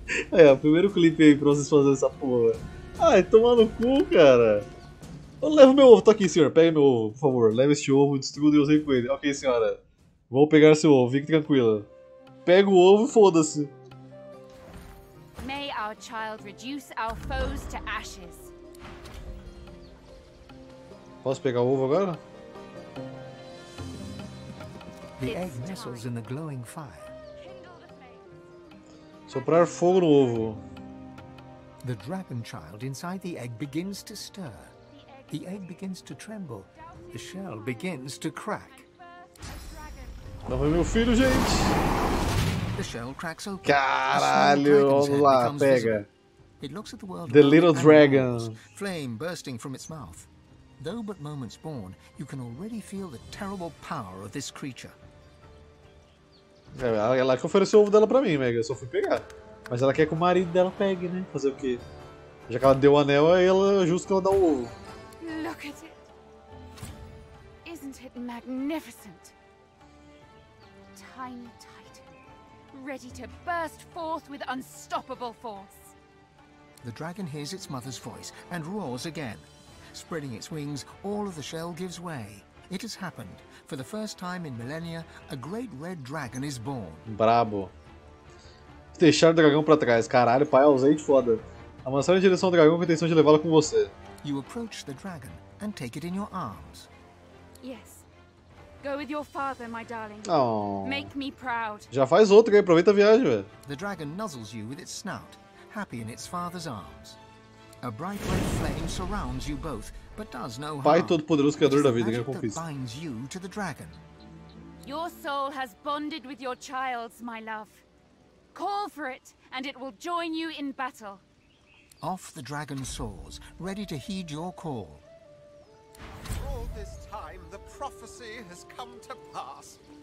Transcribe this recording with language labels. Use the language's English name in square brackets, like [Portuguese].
[Portuguese] Aí, ó, primeiro clipe aí pra vocês fazerem essa porra. Ai, tomar no cu, cara. Eu levo meu ovo, tá aqui, senhor, pega meu ovo, por favor. Leva este ovo, destrua o deus rei com ele. Ok, senhora, vou pegar seu ovo, fique tranquila. Pega o ovo e foda-se. [English] May our child reduce our foes to ashes. [Portuguese] Posso pegar o ovo agora? [English] The egg nestles in the glowing fire. [Portuguese] Soprar fogo no ovo. [English] The dragon child inside the egg begins to stir. The egg begins to tremble. The shell begins to crack. [Portuguese] Lá vem meu filho, gente. [English] The shell cracks open. [Portuguese] Caralho, vamos lá, pega. [English] It looks at the world the little dragon. Flame bursting from its mouth. Though but moments born, you can already feel the terrible power of this creature. [Portuguese] Ela que ofereceu o ovo dela pra mim, Mega. Eu só fui pegar. Mas ela quer que o marido dela pegue, né? Fazer o quê? Já que ela deu o anel, aí ela justo que ela dá o ovo. [English] Look at it. Isn't it magnificent? Tiny Titan, ready to burst forth with unstoppable force. The dragon hears its mother's voice and roars again. Spreading its wings, all of the shell gives way. It has happened. For the first time in millennia, a great red dragon is born. [Portuguese] Brabo. Deixar o dragão pra trás. Caralho, pai, eu usei de foda. Avançar em direção ao dragão com a intenção de levá-lo com você. [English] You approach the dragon and take it in your arms. Yes. Go with your father, my darling. Oh. Make me proud. [Portuguese] Já faz outro, aí aproveita a viagem, velho. [English] The dragon nuzzles you with its snout, happy in its father's arms. A bright red flame surrounds you both. [Portuguese] Pai Todo-Poderoso, Criador da Vida, ganha a conquista. [English] Your soul has bonded with your child's, my love. Call for it, and it will join you in battle. Off the dragon soars, ready to heed your call. All this time, the prophecy has come to pass.